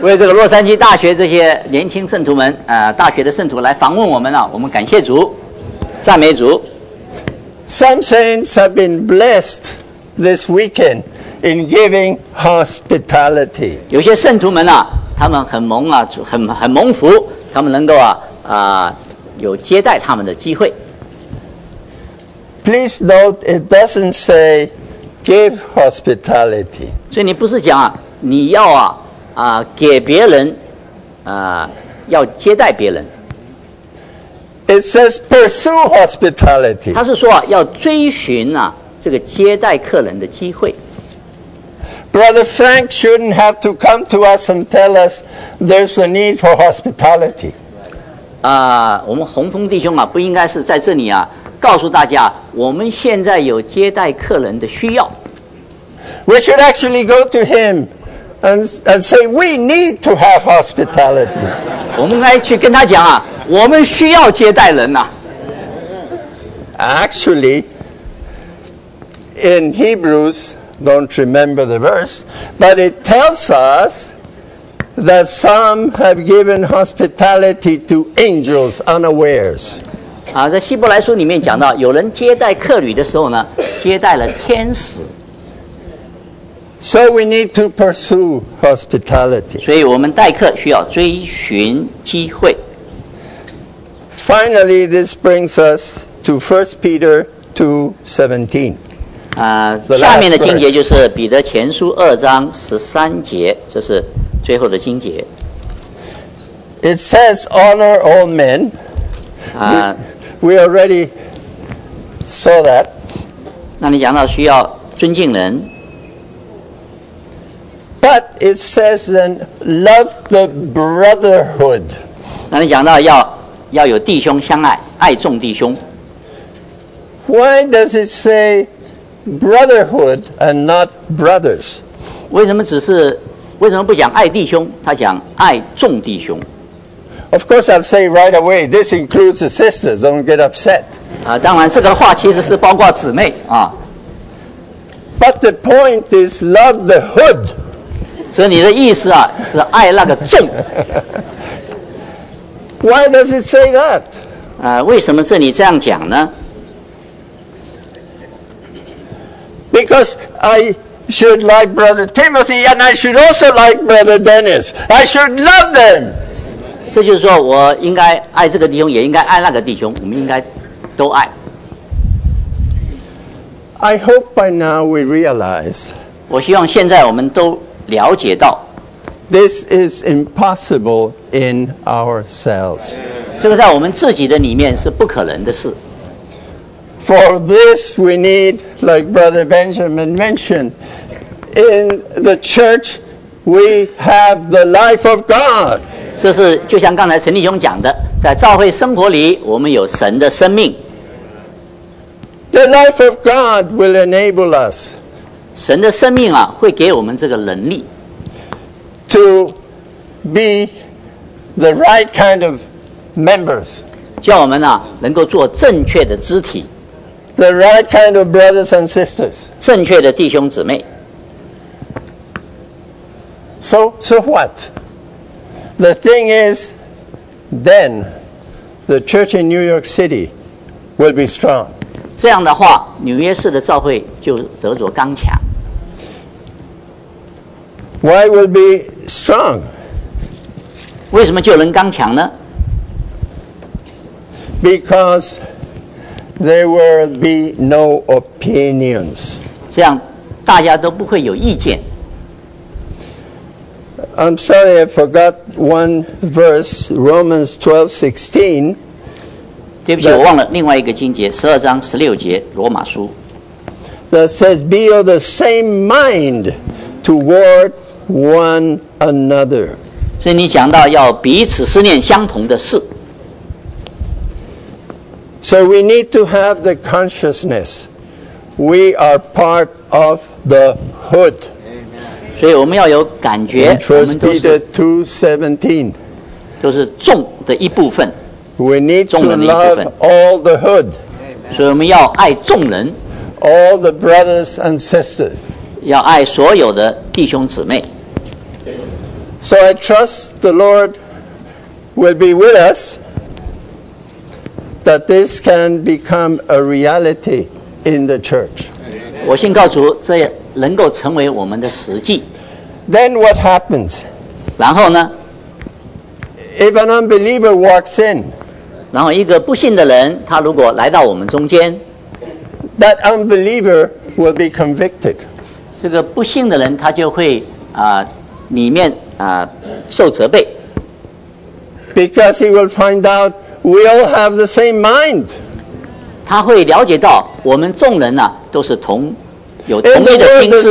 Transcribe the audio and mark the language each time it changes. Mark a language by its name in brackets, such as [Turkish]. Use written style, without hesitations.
[Chinese] 为这个洛杉矶大学这些年轻圣徒们，大学的圣徒来访问我们了，我们感谢主，赞美主。 [English] Some saints have been blessed this weekend in giving hospitality. [Chinese] 有些圣徒们啊，他们很蒙啊，很蒙福，他们能够啊有接待他们的机会。 [English] Please note, it doesn't say give hospitality. [Chinese] 所以你不是讲啊，你要啊啊给别人啊要接待别人。 [English] It says pursue hospitality. [Chinese] 他是说啊要追寻啊这个接待客人的机会。 [English] Brother Frank shouldn't have to come to us and tell us there's a need for hospitality. [Chinese] 啊，我们洪峰弟兄啊，不应该是在这里啊。告诉大家，我们现在有接待客人的需要。 [English] We should actually go to him and say we need to have hospitality. [Chinese] 我们该去跟他讲啊，我们需要接待人呐。 [English] Actually, in Hebrews, don't remember the verse, but it tells us that some have given hospitality to angels unawares. [Chinese] 在希伯来书里面讲到，有人接待客旅的时候呢，接待了天使。 [English] So we need to pursue hospitality. [Chinese] 所以我们待客需要追寻机会。 [English] Finally, this brings us to 1 Peter 2:17. [Chinese] 下面的经节就是彼得前书2:13，这是最后的经节。 [English] It says, "Honor all men." We already saw that. [Chinese] 那你讲到需要尊敬人。 [English] But it says then, love the brotherhood. [Chinese] 那你讲到要有弟兄相爱，爱众弟兄。 [English] Why does it say brotherhood and not brothers? [Chinese] 为什么不讲爱弟兄，他讲爱众弟兄。 [English] Of course, I'll say right away, this includes the sisters, don't get upset. [Chinese] 当然这个话其实是包括姊妹啊。 [English] But the point is love the hood. [Chinese] 所以你的意思啊，是爱那个众。 [English] Why does it say that? [Chinese] 为什么这里这样讲呢？ [English] Because I... should like Brother Timothy and I should also like Brother Dennis. I should love them. [Chinese] 这就是说我应该爱这个弟兄，也应该爱那个弟兄，我们应该都爱。 [English] I hope by now we realize. [Chinese] 我希望现在我们都了解到。 [English] This is impossible in ourselves. [Chinese] 这个在我们自己的里面是不可能的事。 [English] For this we need, like Brother Benjamin mentioned, in the church we have the life of God. [Chinese] 这是就像刚才陈弟兄讲的，在教会生活里我们有神的生命。 [English] The life of God will enable us. [Chinese] 神的生命啊，会给我们这个能力。 [English] To be the right kind of members. [Chinese] 叫我们啊，能够做正确的肢体。 [English] The right kind of brothers and sisters. [Chinese] 正确的弟兄姊妹。 [English] So what? The thing is, then, the church in New York City will be strong. [Chinese] 这样的话，纽约市的教会就得着刚强。 [English] Why will be strong? [Chinese] 为什么就能刚强呢？ [English] Because there will be no opinions. [Chinese] 这样大家都不会有意见。 [English] I'm sorry, I forgot one verse, Romans 12:16. [Chinese] 对不起，我忘了另外一个经节，十二章十六节，罗马书。 [English] That says, "Be of the same mind toward one another." [Chinese] 这里讲到要彼此思念相同的事。 [English] So we need to have the consciousness. We are part of the hood. [Chinese] 所以我们要有感觉，我们都是。 [English] First Peter 2:17. [Chinese] 都是众的一部分。 [English] We need to love all the hood. [Chinese] 所以我们要爱众人。 [English] All the brothers and sisters. [Chinese] 要爱所有的弟兄姊妹。 [English] So I trust the Lord will be with us. That this can become a reality in the church. [Chinese] 我信告主，这能够成为我们的实际。 [English] Then what happens? [Chinese] 然后呢？ [English] If an unbeliever walks in. [Chinese] 然后一个不信的人，他如果来到我们中间。 [English] That unbeliever will be convicted. [Chinese] 这个不信的人，他就会里面受责备。 [English] Because he will find out we all have the same mind. [Chinese] 他会了解到我们众人呢都是同有同类的心思。